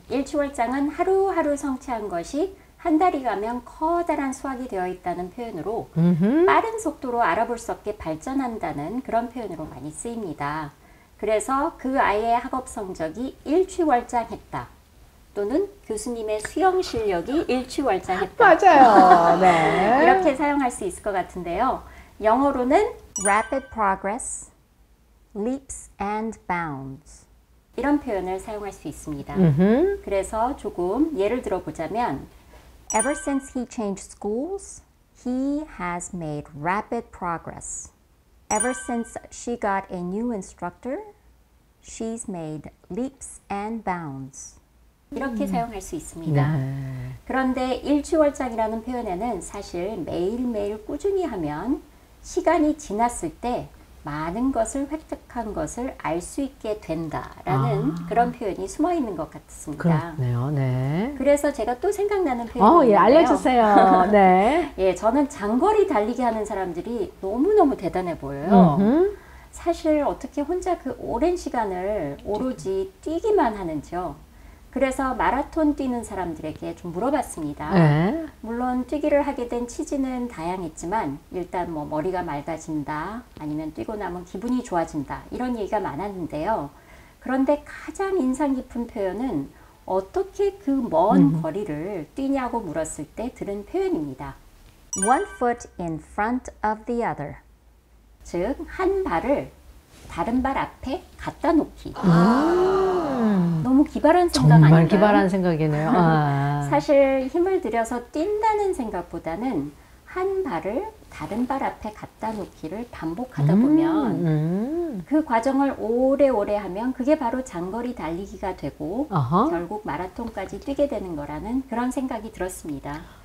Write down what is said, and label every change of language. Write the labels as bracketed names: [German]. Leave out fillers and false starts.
[Korean] 일취월장은 하루하루 성취한 것이 한 달이 가면 커다란 수확이 되어 있다는 표현으로 빠른 속도로 알아볼 수 없게 발전한다는 그런 표현으로 많이 쓰입니다. 그래서 그 아이의 학업 성적이 일취월장했다. 또는 교수님의 수영 실력이 맞아요. 일취월장했다. 네. 이렇게 사용할 수 있을 것 같은데요. 영어로는 [English] Rapid progress, leaps and bounds. [Korean] 이런 표현을 사용할 수 있습니다. 그래서 조금 예를 들어보자면, [English] Ever since he changed schools, he has made rapid progress. Ever since she got a new instructor, she's made leaps and bounds. [Korean] 이렇게 사용할 수 있습니다. 그런데 일취월장이라는 표현에는 사실 매일매일 꾸준히 하면 시간이 지났을 때 많은 것을 획득한 것을 알수 있게 된다라는 그런 표현이 숨어 있는 것 같습니다. 그렇네요. 네. 그래서 제가 또 생각나는 표현이 예, 있는데요. 알려주세요. 네. 예, 저는 장거리 달리기 하는 사람들이 너무너무 대단해 보여요. 사실 어떻게 혼자 그 오랜 시간을 오로지 뛰기만 하는지요. 그래서 마라톤 뛰는 사람들에게 좀 물어봤습니다. 물론 뛰기를 하게 된 취지는 다양했지만 일단 뭐 머리가 맑아진다 아니면 뛰고 나면 기분이 좋아진다 이런 얘기가 많았는데요. 그런데 가장 인상 깊은 표현은 어떻게 그먼 거리를 뛰냐고 물었을 때 들은 표현입니다. [English] One foot in front of the other. [Korean] 즉, 한 발을 다른 발 앞에 갖다 놓기. 너무 기발한 생각 정말 아닌가요? 기발한 생각이네요. 사실 힘을 들여서 뛴다는 생각보다는 한 발을 다른 발 앞에 갖다 놓기를 반복하다 보면 그 과정을 오래오래 하면 그게 바로 장거리 달리기가 되고 결국 마라톤까지 뛰게 되는 거라는 그런 생각이 들었습니다.